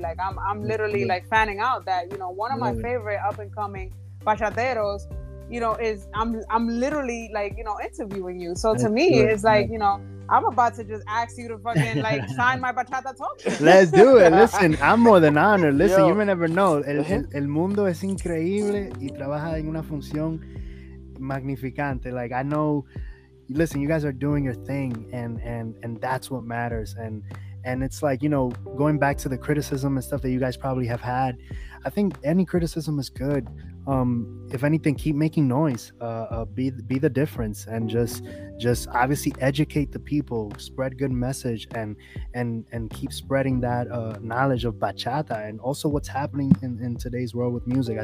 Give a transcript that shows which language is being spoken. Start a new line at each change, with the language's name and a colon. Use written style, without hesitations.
English: Like, I'm literally like fanning out that, you know, one of my favorite up and coming bachateros, you know, is I'm literally like, you know, interviewing you. So to me, it's like, you know, I'm about to just ask you to fucking like sign my Bachata Talk. Let's do it. Listen, I'm more than honored. Listen, you may never know.
Spanish: El mundo es increíble y trabaja en una función magnificante.
English: Like, I know, listen, you guys are doing your thing, and that's what matters. And it's like, you know, going back to the criticism and stuff that you guys probably have had, I think any criticism is good. If anything, keep making noise, be the difference, and just obviously educate the people, spread good message, and keep spreading that knowledge of bachata and also what's happening in today's world with music.